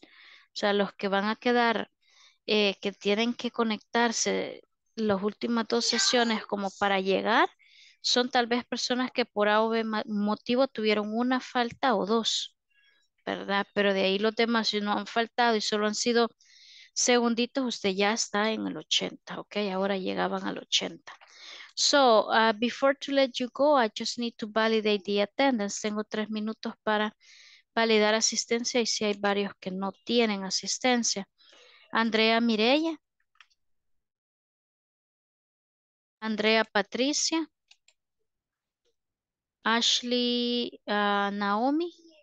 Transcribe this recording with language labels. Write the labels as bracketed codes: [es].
[es] O sea, los que van a quedar, que tienen que conectarse las últimas dos sesiones como para llegar, son tal vez personas que por A o B motivo tuvieron una falta o dos, ¿verdad? Pero de ahí los demás, si no han faltado y solo han sido segunditos, usted ya está en el 80, ¿ok? Ahora llegaban al 80. [en] So, before to let you go, I just need to validate the attendance. [es] Tengo 3 minutos para validar asistencia y si hay varios que no tienen asistencia. Andrea Mireya. Andrea Patricia. Ashley Naomi.